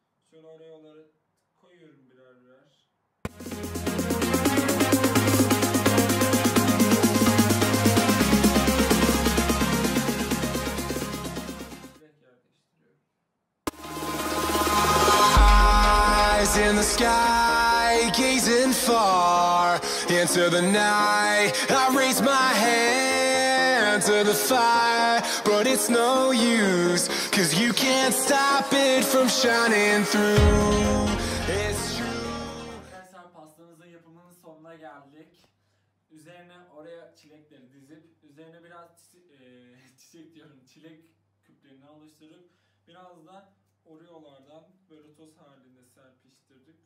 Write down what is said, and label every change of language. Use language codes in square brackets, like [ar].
[tr] Şöyle oreoları koyuyorum birer. [en] Eyes in the sky, gazing far into the night. I raise my hand to the fire, but it's no use, 'cause you can't stop it from shining through. It's true. [tr] Arkadaşlar, pastanızın yapımının sonuna geldik. Üzerine oraya çilekleri dizip, üzerine biraz çiçek diyorum, çilek küplerini alıştırıp, biraz da oreolardan böyle toz halinde serpiştirdik.